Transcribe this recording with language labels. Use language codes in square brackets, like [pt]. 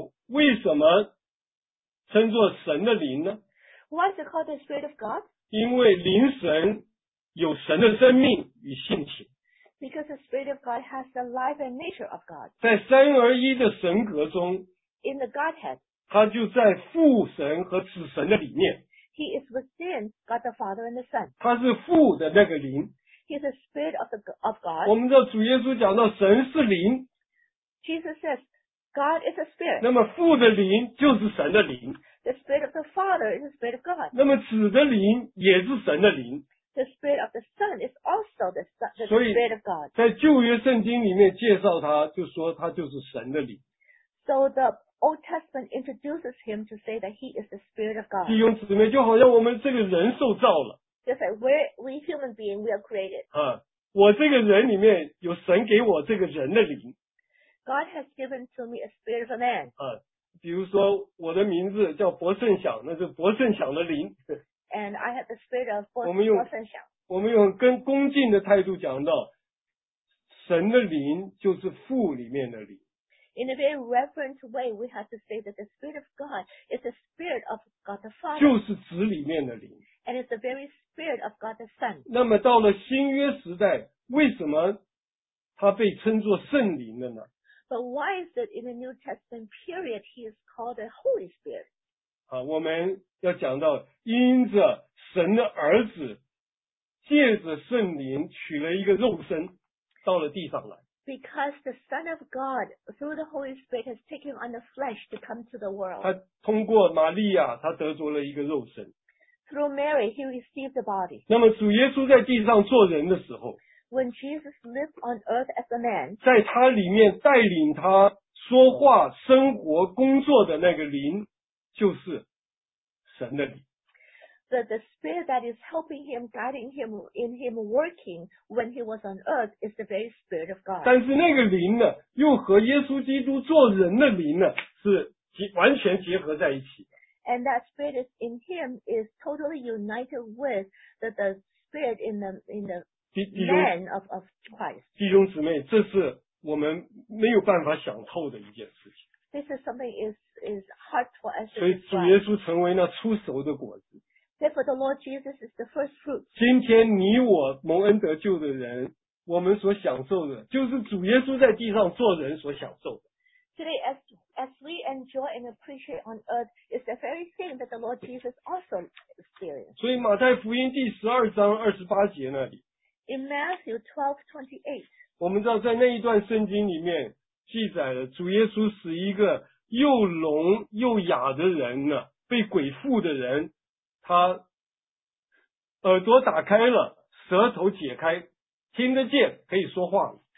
[zh] 为什么称作神的灵呢？ [en] Why is it called the Spirit of God? [zh] 因为灵神有神的生命与性情。 [en] Because the Spirit of God has the life and nature of God. [zh] 在三而一的神格中， [en] In the Godhead, [zh] 他就在父神和子神的里面。 [en] He is within God the Father and the Son. [zh] 他是父的那个灵。 [en] He is the Spirit of God. [zh] 我们的主耶稣讲到神是灵。 [en] Jesus says, God is a spirit. [zh] 那么父的灵就是神的灵。 [en] The Spirit of the Father is the Spirit of God. [zh] 那么子的灵也是神的灵。 [en] The Spirit of the Son is also the Spirit of God. [zh] 在旧约圣经里面介绍他，就说他就是神的灵。 [en] So the Old Testament introduces him to say that he is the Spirit of God. [zh] 弟兄姊妹，就好像我们这个人受造了。 [en] Just like we human being, we are created. [zh] 我这个人里面有神给我这个人的灵。 [en] God has given to me a spirit of a man. [zh] 比如说我的名字叫伯圣响，那是伯圣响的灵。 [en] And I have the spirit of Boston. [zh] 我们用跟恭敬的态度讲到，神的灵就是父里面的灵。 [en] In a very reverent way, we have to say that the spirit of God is the spirit of God the Father. [zh] 就是子里面的灵。 [en] And it's the very spirit of God the Son. [zh] 那么到了新约时代，为什么他被称作圣灵了呢？ [en] But why is it in the New Testament period he is called the Holy Spirit? [zh] 我们要讲到因着神的儿子借着圣灵取了一个肉身到了地上来。 [en] Because the Son of God, through the Holy Spirit, has taken on the flesh to come to the world. [zh] 他通过玛利亚，他得着了一个肉身。 [en] Through Mary, he received the body. [zh] 那么主耶稣在地上做人的时候， [en] When Jesus lived on earth as a man, [zh] 在他里面带领他说话、生活、工作的那个灵，就是神的灵。 [en] The spirit that is helping him, guiding him, in him working when he was on earth is the very spirit of God. [zh] 但是那个灵呢，又和耶稣基督做人的灵呢，是完全结合在一起。 [en] And that spirit is in him is totally united with the spirit in the man of Christ. [zh] 弟兄姊妹，这是我们没有办法想透的一件事情。 [en] This is something is hard for us to understand. [zh] 所以主耶稣成为那出熟的果子。 [en] Therefore, the Lord Jesus is the first fruit. [zh] 今天你我蒙恩得救的人，我们所享受的，就是主耶稣在地上做人所享受的。 [en] Today, as we enjoy and appreciate on earth, is the very thing that the Lord Jesus also experienced. [zh] 所以马太福音第十二章二十八节那里。 [en] In Matthew 12:28. [zh] 我们知道在那一段圣经里面记载了主耶稣使一个又聋又哑的人呢，被鬼附的人。他耳朵打开了，舌头解开，听得见，可以说话了。